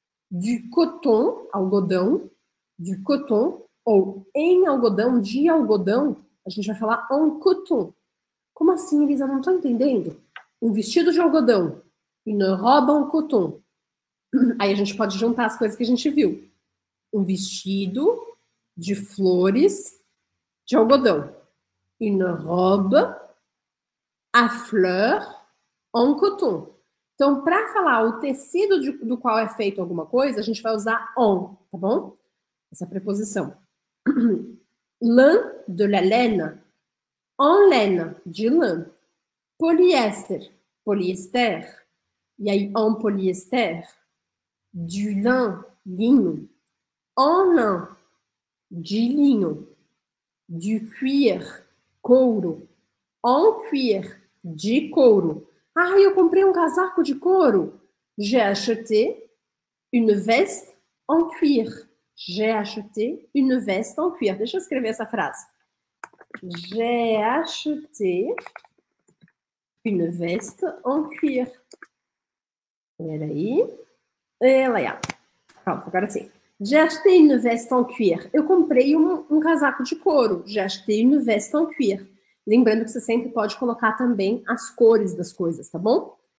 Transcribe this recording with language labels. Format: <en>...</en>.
<fr>Du coton,</fr> <pt>algodão.</pt> <fr>Du coton ou em algodão,</fr> <pt>de algodão, a gente vai falar</pt> <fr>en coton.</fr> <pt>Como assim, Elisa? Eu não estou entendendo. Um vestido de algodão.</pt> <fr>Une robe en coton.</fr> <pt>Aí a gente pode juntar as coisas que a gente viu. Um vestido, de flores de algodão.</pt> <fr>Une robe à fleurs en coton.</fr> <pt>Então, para falar o tecido do qual é feito alguma coisa, a gente vai usar en, tá bom? Essa preposição. Lã</pt> <fr>de la laine. En laine,</fr> <pt>de lã. Polyester, poliéster. E aí, en poliéster.</pt> <fr>Du lin,</fr> <pt>linho.</pt> <fr>En lin,</fr> <pt>de linho. Du cuir, couro.</pt> <fr>En cuir,</fr> <pt>de couro. Ah, eu comprei um casaco de couro.</pt> <fr>J'ai acheté une veste en cuir. J'ai acheté une veste en cuir.</fr> <pt>Deixa eu escrever essa frase.</pt> <fr>J'ai acheté une veste en cuir.</fr> <pt>Peraí. Ela é. Pronto, agora sim.</pt> <fr>J'ai acheté une veste en cuir.</fr> <pt>Eu comprei um casaco de couro.</pt> <fr>J'ai acheté une veste en cuir.</fr> <pt>Lembrando que você sempre pode colocar também as cores das coisas, tá bom?</pt>